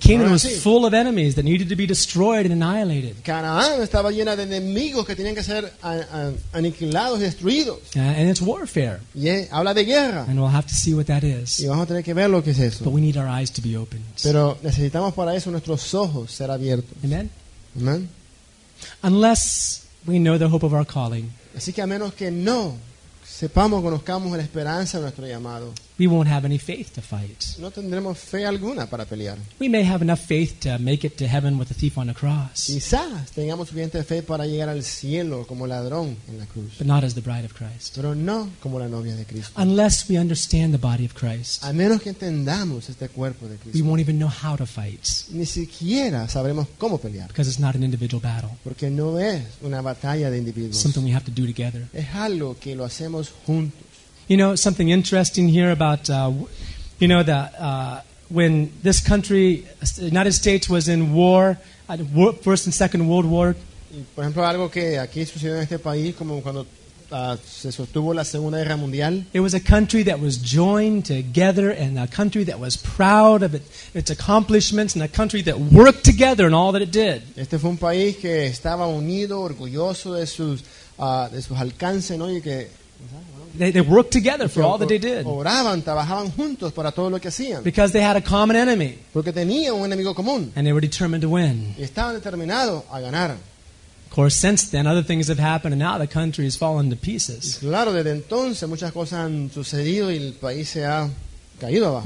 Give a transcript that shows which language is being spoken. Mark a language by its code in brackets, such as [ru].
[en] Canaan was full of enemies that needed to be destroyed and annihilated. [es] Canaán estaba llena de enemigos que tenían que ser aniquilados y destruidos. [en] And it's warfare. [es] Yeah, habla de guerra. [en] And we'll have to see what that is. [es] Y vamos a tener que ver lo que es eso. [en] But we need our eyes to be opened. [es] Pero necesitamos para eso nuestros ojos ser abiertos. [en] Amen. [es] Amen. [en] Unless we know the hope of our calling. [es] Así que a menos que no sepamos, conozcamos la esperanza de nuestro llamado. [en] We won't have any faith to fight. [es] No tendremos fe alguna para pelear. [en] We may have enough faith to make it to heaven with a thief on the cross. [es] Quizás tengamos suficiente fe para llegar al cielo como ladrón en la cruz. [en] But not as the bride of Christ. [es] Pero no como la novia de Cristo. [en] Unless we understand the body of Christ. [es] A menos que entendamos este cuerpo de Cristo. [en] We won't even know how to fight. [es] Ni siquiera sabremos cómo pelear. [en] Because it's not an individual battle. [es] Porque no es una batalla de individuos. [en] Something we have to do together. [es] Es algo que lo hacemos juntos. [en] You know, something interesting here about, you know, that when this country, United States, was in war, at First and Second World War. [es] Por ejemplo, algo que aquí sucedió en este país, como cuando se sostuvo la Segunda Guerra Mundial. [en] It was a country that was joined together and a country that was proud of its accomplishments and a country that worked together in all that it did. [es] Este fue un país que estaba unido, orgulloso de sus alcances, ¿no? Y que... [en] They worked together for all that they did. [es] Oraban, trabajaban juntos para todo lo que hacían. [en] Because they had a common enemy. [es] Porque tenían un enemigo común. [en] And they were determined to win. [es] Y estaban determinados a ganar. [en] Of course, since then, other things have happened, and now the country has fallen to pieces. [es] Y claro, desde entonces muchas cosas han sucedido y el país se ha caído abajo.